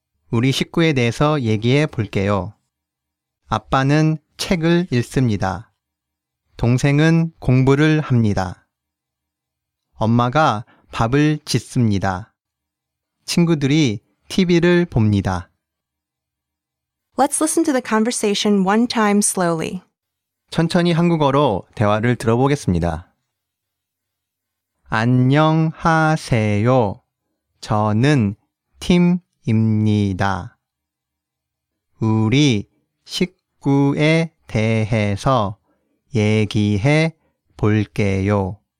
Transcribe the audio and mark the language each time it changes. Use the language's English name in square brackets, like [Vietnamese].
[Korean] 우리 식구에 대해서 얘기해 볼게요. 아빠는 책을 읽습니다. 동생은 공부를 합니다. 엄마가 밥을 짓습니다. 친구들이 TV를 봅니다. [English] Let's listen to the conversation one time slowly. [Korean] 천천히 한국어로 대화를 들어보겠습니다. 안녕하세요. 저는 팀입니다. 우리 식구에 대해서 얘기해 볼게요.